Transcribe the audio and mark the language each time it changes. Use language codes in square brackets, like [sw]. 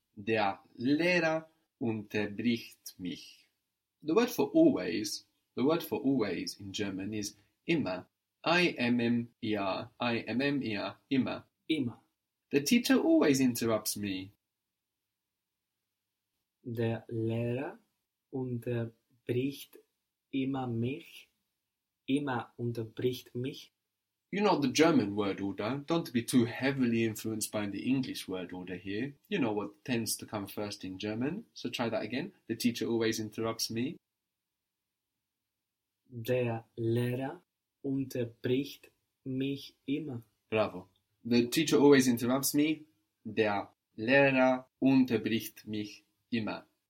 [de] Der Lehrer unterbricht mich. [en] The word for always in German is immer. [de] Immer. Immer. Immer. Immer. [en] The teacher always interrupts me. [de] Der Lehrer unterbricht immer mich. Immer unterbricht mich. [en] You know the German word order. Don't be too heavily influenced by the English word order here. You know what tends to come first in German. So try that again. The teacher always interrupts me. [de] Der Lehrer unterbricht mich immer. [en] Bravo. The teacher always interrupts me. Der [de] Lehrer unterbricht mich immer.